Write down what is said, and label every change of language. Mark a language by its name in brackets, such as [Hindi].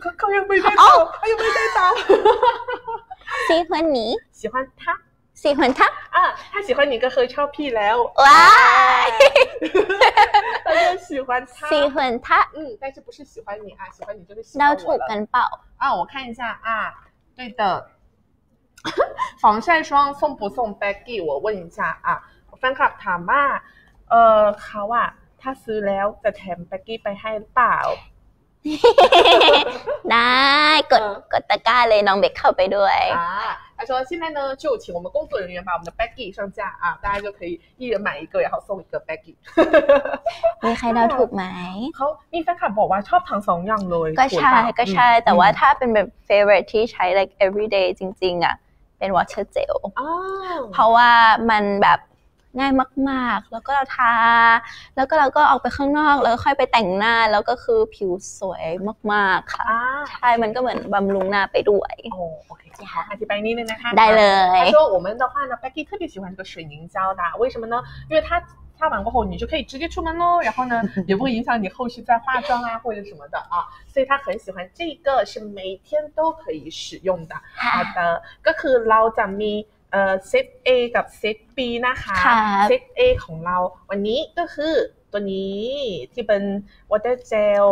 [Chinese] 他有没有在打他有没有在打喜欢你喜欢他喜欢他啊他喜欢你跟何超屁来哦哇他就喜欢他喜欢他嗯但是不是喜欢你啊喜欢你就是喜欢我了那跟爆啊我看一下啊对的防晒霜送不送 Becky 我问一下啊 [Thai] แฟนคลับถามว่าเขาอะถ้าซื้อแล้วจะแถมแบ็กกี้ไปให้หรือเปล่า ได้กดตะกร้าเลยน้องเบ็กเข้าไปด้วย เขาบอกว่า [Chinese] 现在呢就请我们工作人员把我们的แบ็กกี้上架啊大家就可以一人买一个然后送一个แบ็กกี้ [Thai] มีใครเดาถูกไหม เขามีแฟนคลับบอกว่าชอบทั้งสองอย่างเลย ก็ใช่แต่ว่าถ้าเป็นแบบ favorite ที่ใช้ [English] like everyday [Thai] จริงๆอะเป็น water gel เพราะว่ามันแบบง่ายมากๆแล้วก็เราทาแล้วก็เราก็ออกไปข้างนอกแล้วค่อยไปแต่งหน้าแล้วก็คือผิวสวยมากๆค่ะใช่มันก็เหมือนบำรุงหน้าไปด้วย โอเคค่ะอธิบายนิดนึงนะคะ ได้เลย [Chinese] เพราะว่า我们的话呢 Becky 特别喜欢这个水凝胶的为什么呢因为它擦完过后你就可以直接出门咯然后呢也不会影响你后续再化妆啊或者什么的啊所以他很喜欢这个是每天都可以使用的好的 [Thai] ก็คือเราจะมีset A กับ set B นะคะ set A ของเราวันนี้ก็คือตัวนี้ที่เป็น water gel